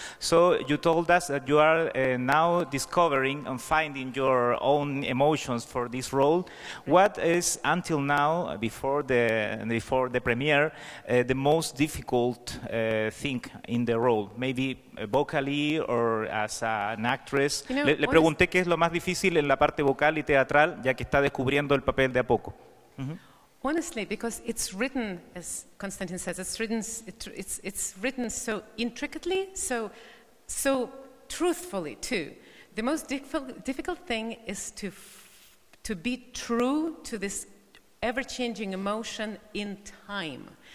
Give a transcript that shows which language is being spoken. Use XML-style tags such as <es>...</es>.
<en>So you told us that you are now discovering and finding your own emotions for this role. What is, until now, before the premiere, the most difficult thing in the role? Maybe vocally or as an actress. You know,</en> <es>le pregunté qué es lo más difícil en la parte vocal y teatral, ya que está descubriendo el papel de a poco.</es> <en>Honestly, because it's written, as Konstantin says, it's written so intricately, so truthfully too. The most difficult thing is to be true to this ever-changing emotion in time.</en>